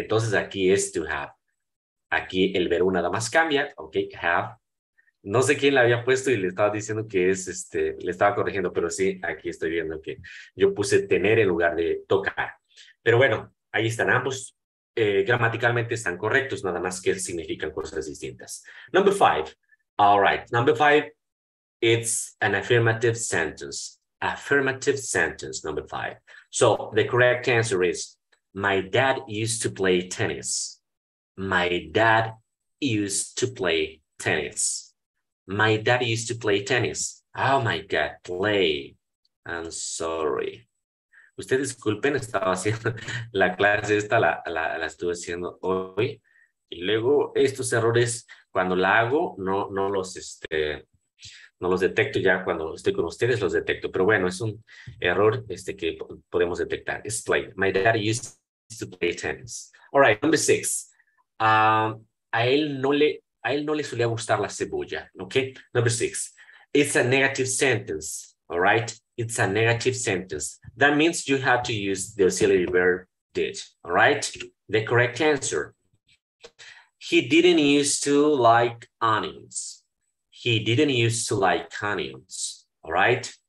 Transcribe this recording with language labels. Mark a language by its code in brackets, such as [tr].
[es] Entonces aquí es to have. Aquí el verbo nada más cambia, ¿ok? Have. No sé quién le había puesto y le estaba diciendo que es, le estaba corrigiendo, pero sí, aquí estoy viendo que yo puse tener en lugar de tocar. Pero bueno, ahí están ambos. Gramaticalmente están correctos, nada más que significan cosas distintas. [en] Number five. All right. Number five, it's an affirmative sentence. Affirmative sentence, number five. So the correct answer is, my dad used to play tennis. My dad used to play tennis. My dad used to play tennis. Oh my God, play. I'm sorry. [es] Ustedes disculpen, estaba haciendo la clase esta, la estuve haciendo hoy. Y luego estos errores, cuando la hago, no los detecto ya cuando estoy con ustedes, los detecto. Pero bueno, es un error que podemos detectar. [en] It's play. My dad used to play tennis. All right, number six. [es] A él no le solía gustar la cebolla, okay? [en] Number six, it's a negative sentence, all right? It's a negative sentence. That means you have to use the auxiliary verb did, all right? The correct answer, he didn't used to like onions. He didn't used to like onions, all right?